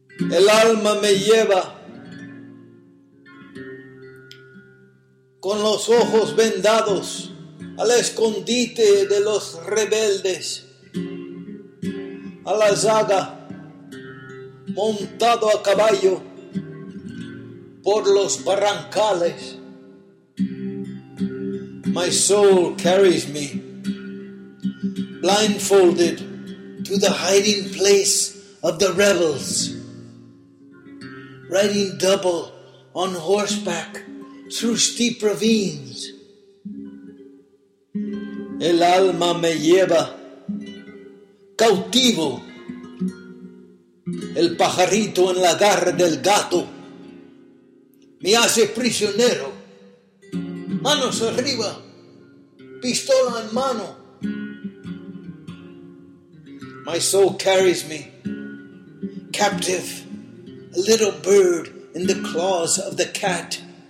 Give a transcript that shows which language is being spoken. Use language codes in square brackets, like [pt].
[es] El alma me lleva con los ojos vendados al escondite de los rebeldes, a la zaga montado a caballo por los barrancales. [en] My soul carries me blindfolded to the hiding place of the rebels, riding double on horseback through steep ravines. [es] El alma me lleva cautivo, el pajarito en la garra del gato me hace prisionero, manos arriba, pistola en mano. [en] My soul carries me captive, a little bird in the claws of the cat.